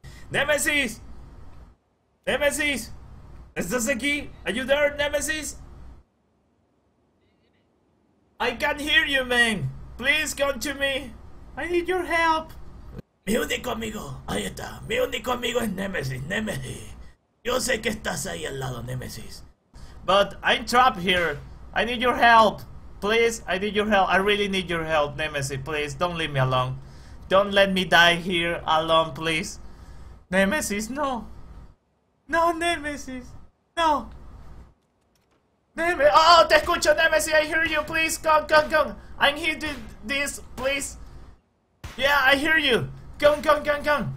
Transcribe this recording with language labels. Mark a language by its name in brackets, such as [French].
[Spanish] Nemesis, ¿estás aquí? [English] Are you there, Nemesis? I can't hear you, man. Please come to me. I need your help. [Spanish] Mi único amigo, ahí está. Mi único amigo es Nemesis, Nemesis. Yo sé que estás ahí al lado, Nemesis. [English] But I'm trapped here. I need your help. Please, I need your help. I really need your help, Nemesis. Please, don't leave me alone. Don't let me die here alone, please. Nemesis, no. No, Nemesis. No. Nemesis. Oh, [Spanish] te escucho, [English] Nemesis. I hear you. Please, come, come, come. I'm here to this, please. Yeah, I hear you. Come, come, come, come.